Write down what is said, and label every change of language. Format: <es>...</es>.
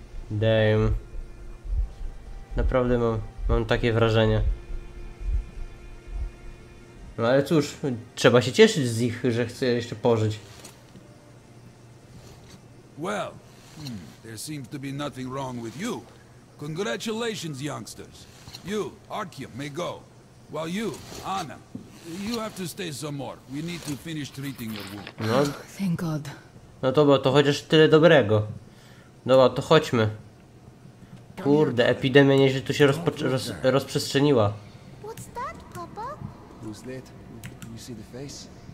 <pl>Damn. Naprawdę mam takie wrażenie. No ale cóż, trzeba się cieszyć z ich, że chcę jeszcze pożyć.</pl> <en>Well, there seems to be nothing wrong with you. Congratulations, youngsters. You, Artyom, may go. While you, Anna, you have to stay some more. We need to finish treating your wound.</en> <pl>No.</pl> <en>Thank God.</en> <pl>No dobra, to chociaż tyle dobrego. Dobra, to chodźmy. Kurde, epidemia nieźle tu się rozprzestrzeniła.</pl> <en>Who's that? You see the face?</en>